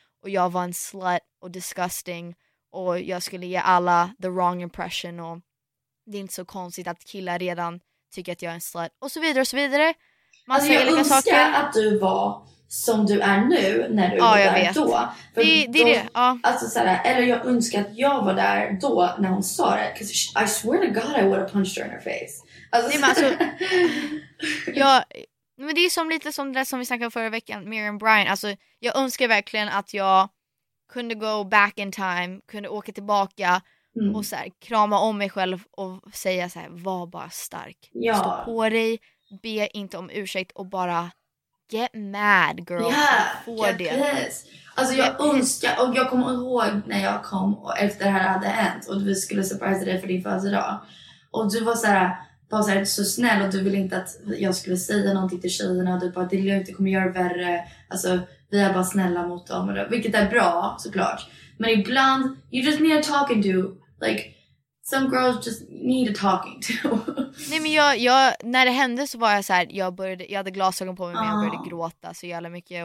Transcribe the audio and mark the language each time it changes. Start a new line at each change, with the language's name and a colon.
Swedish: Och jag var en slut och disgusting. Och jag skulle ge alla
English: the wrong impression.
Swedish: Och det är inte så konstigt att killar redan tycker att jag är en slut. Och så vidare och så vidare. Man alltså jag önskar saker. Att du var som du är nu när du var där då. För det är det. Ja. Alltså så här, eller jag önskar att jag var där då när hon sa det.
English: Because I swear to god I would have punched her in her face.
Swedish: Alltså, nej, men alltså, men det är som lite som det som vi snackade förra veckan. Miriam Bryan. Alltså jag önskar verkligen att jag kunde
English: go back in time,
Swedish: kunde åka tillbaka och så här, krama om mig själv och säga så här, var bara stark. Ja. Stå på dig, be inte om ursäkt och bara
English: get mad girl.
Swedish: Ja,
English: yeah, get this.
Swedish: Alltså jag önskar, och jag kommer ihåg när jag kom och efter det här hade hänt och vi skulle surprise dig för din födelsedag. Och du var så här, bara så här, så snäll och du ville inte att jag skulle säga någonting till tjejerna. Du bara, det lugnt, det kommer göra värre, alltså... Vi är bara snälla mot dem. Vilket är bra, såklart. Men ibland,
English: you just need a talking to. Like, some girls just need a talking to.
Swedish: Nej, men jag, när det hände så var jag så här, jag hade glasögon på mig, men jag började gråta så jävla mycket.